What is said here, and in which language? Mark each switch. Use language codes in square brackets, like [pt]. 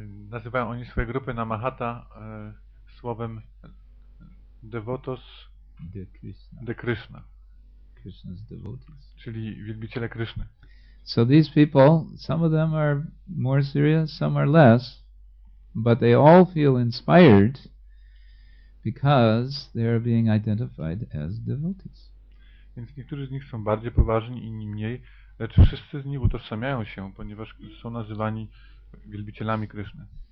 [pl] Nazywają oni swoje grupy Namhata słowem Devotos [pt] de Krishna. De Krishna. [en] Krishna's devotees. [pl] Czyli wielbiciele Kryszny. [en] So these people, some of them are more serious, some are less, but they all feel inspired because they are being identified as devotees. [pl] Więc niektórzy z nich są bardziej poważni, inni mniej, lecz wszyscy z nich utożsamiają się, ponieważ są nazywani wielbicielami Kryszny.